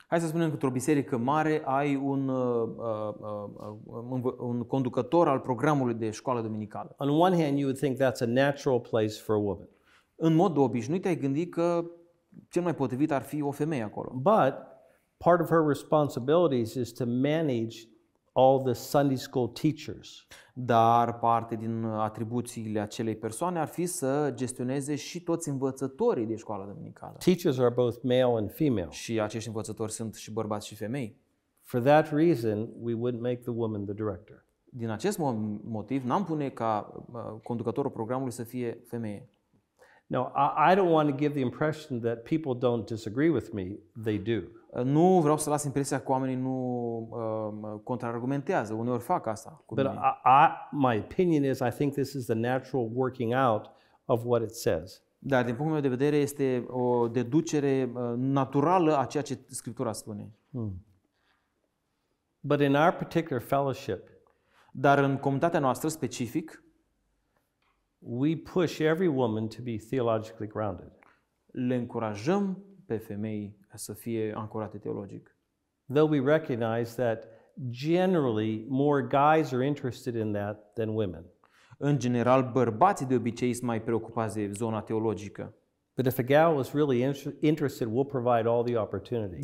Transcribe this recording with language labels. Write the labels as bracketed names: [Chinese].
[Romanian] Hai să spunem că într-o biserică mare ai un conducător al programului de școală duminicală. [English] On one hand, you would think that's a natural place for a woman. [Romanian] În mod obișnuit ai gândi că cel mai potrivit ar fi o femeie acolo. [English] But part of her responsibilities is to manage all the Sunday school teachers. [Romanian] Dar parte din atribuțiile acelei persoane ar fi să gestioneze și toți învățătorii de școală duminicală. [English] Teachers are both male and female. [Romanian] Și acești învățători sunt și bărbați și femei. [English] For that reason, we wouldn't make the woman the director. [Romanian] Din acest motiv, n-am pune ca conducătorul programului să fie femeie. [English] Now, I don't want to give the impression that people don't disagree with me. They do. [Romanian] Nu vreau să las impresia că oamenii nu contraargumentează. Uneori fac asta cu mine. [English] But my opinion is I think this is the natural working out of what it says. [Romanian] Dar din punctul meu de vedere este o deducere naturală a ceea ce Scriptura spune. [English] But in our particular fellowship, [Romanian] dar în comunitatea noastră specific, [English] we push every woman to be theologically grounded. [Romanian] Le încurajăm pe femei să fie ancorate teologic. [English] Though we recognize that generally more guys are interested in that than women. [Romanian] În general, bărbații de obicei sunt mai preocupați de zona teologică. [English] But if a gal is really interested, we'll provide all the opportunity.